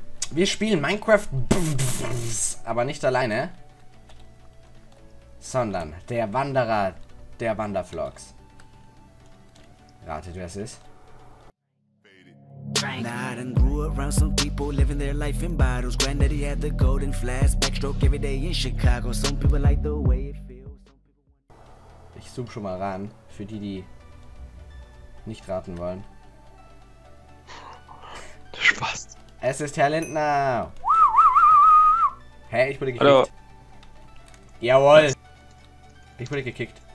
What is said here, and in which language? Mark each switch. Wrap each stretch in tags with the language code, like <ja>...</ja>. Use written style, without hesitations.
<de>Wir spielen Minecraft, aber nicht alleine, sondern der Wanderer der Wandervlogs. Ratet, wer es ist?</de> <en>Not and grew around some people living their life in bottles. Granddaddy had the golden flask, backstroke every day in Chicago. Some people like the way it feels.</en> <de>Ich zoome schon mal ran, für die, die nicht raten wollen. Spaß. Es ist Herr Lindner. Hey, ich wurde gekickt. Hallo. Jawohl. Ich wurde gekickt.</de>